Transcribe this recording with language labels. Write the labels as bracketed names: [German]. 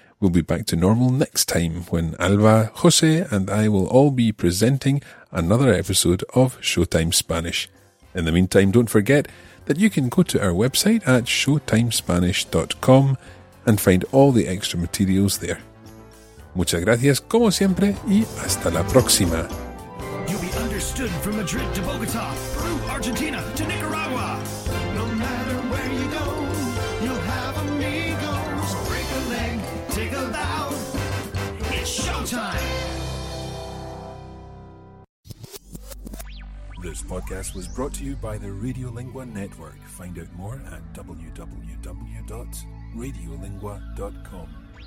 [English] We'll be back to normal next time when Alba, José and I will all be presenting another episode of Showtime Spanish. In the meantime, don't forget that you can go to our website at showtimespanish.com and find all the extra materials there. [Spanish] Muchas gracias, como siempre, y hasta la próxima. [English] You'll be understood from Madrid to Bogotá, Peru, Argentina to Nicaragua. No matter where you go, you'll have amigos. Break a leg, take a bow. It's showtime. This podcast was brought to you by the Radiolingua Network. Find out more at www.radiolingua.com.